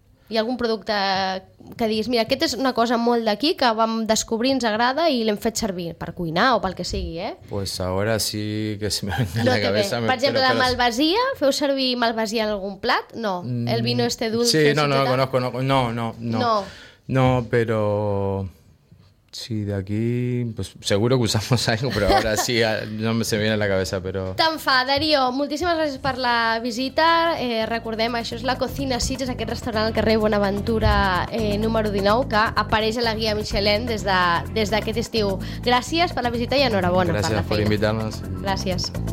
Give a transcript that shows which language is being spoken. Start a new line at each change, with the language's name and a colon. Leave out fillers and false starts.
Catalan: Hi ha algun producte que diguis, mira, aquest és una cosa molt d'aquí que vam descobrir, ens agrada i l'hem fet servir per cuinar o pel que sigui, eh?
Spanish: Pues ahora sí que se me venga la cabeza.
Catalan: Per exemple, la malvasia, feu servir malvasia en algun plat?
Spanish: No, el vino este dulce. Sí, no, lo conozco, no. No, pero... Sí, de aquí, pues seguro que usamos algo, pero ahora sí, no se me viene a la cabeza, pero...
Catalan: Tan fa, Darío, moltíssimes gràcies per la visita. Recordem, això és la Cocina Sitges, aquest restaurant al carrer Bonaventura número 19, que apareix a la guia Michelin des d'aquest estiu. Gràcies per la visita i enhorabona. Gràcies per invitar-nos. Gràcies.